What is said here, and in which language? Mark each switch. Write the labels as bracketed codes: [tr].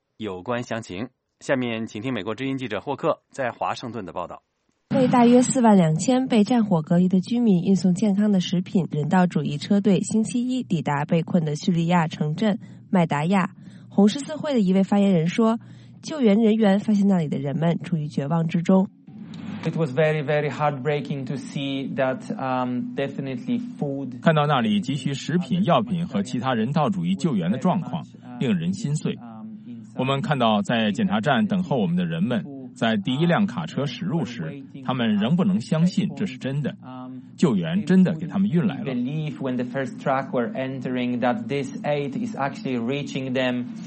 [zh] 有关详情，下面请听美国之音记者霍克在华盛顿的报道。为大约42000被战火隔离的居民运送健康的食品，人道主义车队星期一抵达被困的叙利亚城镇麦达亚。红十字会的一位发言人说，救援人员发现那里的人们处于绝望之中。 [en] It was very, very heartbreaking to see that, definitely food. [zh] 看到那里急需食品、药品和其他人道主义救援的状况，令人心碎。我们看到在检查站等候我们的人们，在第一辆卡车驶入时，他们仍不能相信这是真的，救援真的给他们运来了。